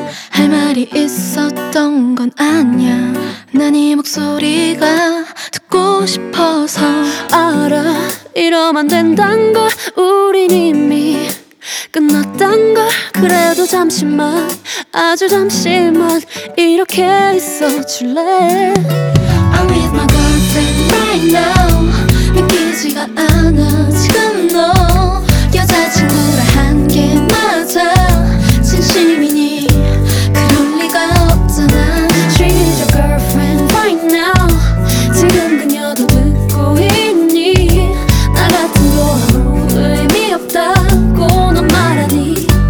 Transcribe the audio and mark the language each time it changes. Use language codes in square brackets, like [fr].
[ko] 할 말이 있었던 건 아니야. 난 이 목소리가 듣고 싶어서. 알아, 이러면 된단 걸. 우린 이미 끝났단 걸. 그래도 잠시만, 아주 잠시만 이렇게 있어줄래. [en] I'm with my girlfriend right now. [ko] 믿기지가 않아. 지금 너 여자친구라 한 게 맞아. 진심이니 그럴 리가 없잖아. [en] She is your girlfriend right now. [ko] 지금 그녀도 듣고 있니. 나 같은 거 아무 의미 없다고 넌 말하니.